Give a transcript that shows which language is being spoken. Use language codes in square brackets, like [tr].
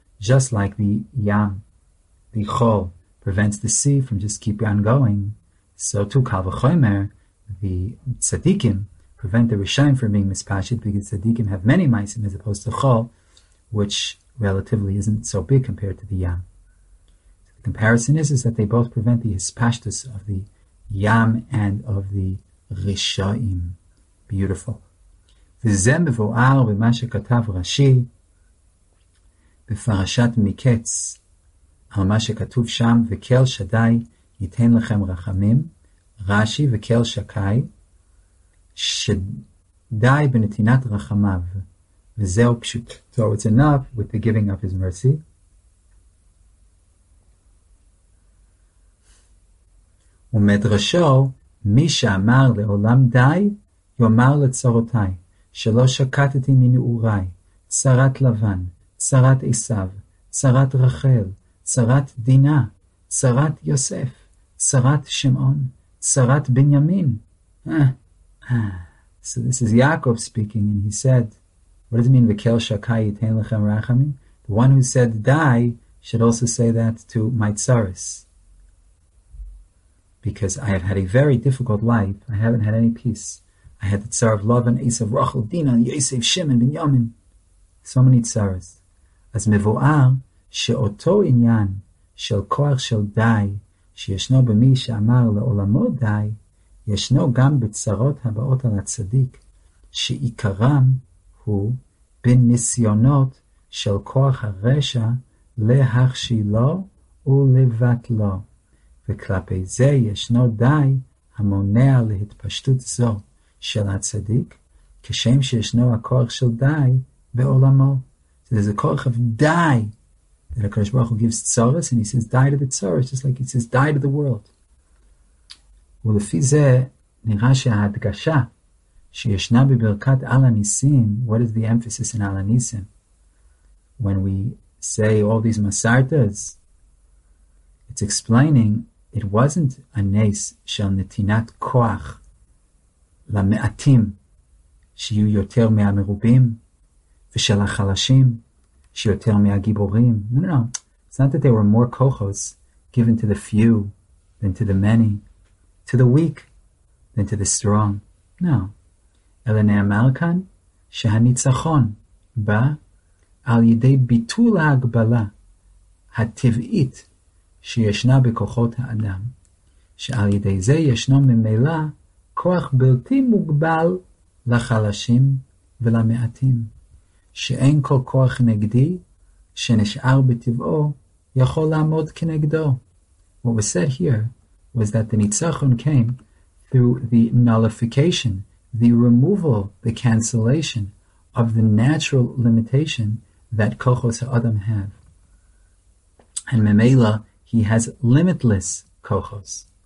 [en] Just like the Yam, the chol prevents the sea from just keeping on going, so too kal v'chomer, the tzaddikim prevent the rishayim from being mispashit, because tzaddikim have many maisim as opposed to chol, which relatively isn't so big compared to the yam. So the comparison is that they both prevent the hispashtus of the yam and of the rishayim. Beautiful. [he] V'zem v'o'ar v'ma shekatav Rashi v'farashat miketz על מה שכתוב שם, וכל שדי ייתן לכם רחמים, רשי וכל שקי, שדי בנתינת רחמיו, וזהו פשוט. [en] So it's enough with the giving of his mercy. [he] ומדרשו, מי שאמר לעולם די, יאמר לצרותי, שלא שקטתי מנעורי, צרת לבן, צרת עשיו, צרת רחל, צרת דינה, צרת יוסף, צרת שמעון, צרת בנימין. [en] So this is Yaakov speaking, and he said, what does it mean, v'kel shakai yitain lechem rachamim? The one who said die should also say that to my tzaris. Because I have had a very difficult life. I haven't had any peace. I had the tzar of love and Esav, Rachel, Dina, Yosef, Shimon, Binyamin. So many tzaris. [he] As mevo'ar, שאותו עניין של כוח של די שישנו במי שאמר לעולמו די ישנו גם בצרות הבאות על הצדיק שעיקרם הוא בניסיונות של כוח הרשע להכשילו ולבטלו וכלפי זה ישנו די המונע להתפשטות זו של הצדיק כשם שישנו הכוח של די בעולמו. [en] So there's a כוח of די that HaKadosh Baruch Hu gives tzaras, and he says, die to the tzaras, just like he says, die to the world. [he] ולפי זה נראה שההדגשה שישנה בברכת על הניסים, [en] what is the emphasis in [he] על הניסים? [en] When we say all these masartas, it's explaining it wasn't a nes [he] של נתינת כוח ל- למעטים שיהיו יותר מהמרובים, ושל החלשים שיותר מהגיבורים. [en] No, it's not that there were more kochos given to the few than to the many, to the weak than to the strong. No. [he] אלא נאמר כאן שהניצחון בא על ידי ביטול ההגבלה הטבעית שישנה בכוחות האדם, שעל ידי זה ישנו ממילא כוח בלתי מוגבל לחלשים ולמעטים, שאין כל כוח נגדי שנשאר בטבעו יכול לעמוד כנגדו. [en] What was said here was that the ניצחון came through the nullification, the removal, the cancellation of the natural limitation that kochos ha'adam have. And memela, he has limitless kochos.